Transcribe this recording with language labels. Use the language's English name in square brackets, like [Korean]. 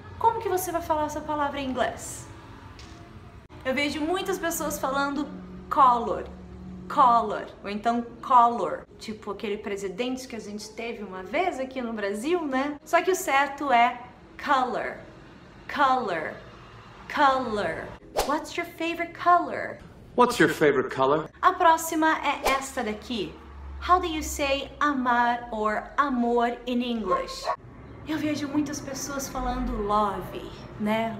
[Portuguese] Como que você vai falar essa palavra em inglês? Eu vejo muitas pessoas falando color. Color, ou então color, tipo aquele presidente que a gente teve uma vez aqui no Brasil, né? Só que o certo é color, color, color. [English] What's your favorite color? What's your favorite color? [Portuguese] A próxima é esta daqui. [English] How do you say amar or amor in English? [Portuguese] Eu vejo muitas pessoas falando love, né?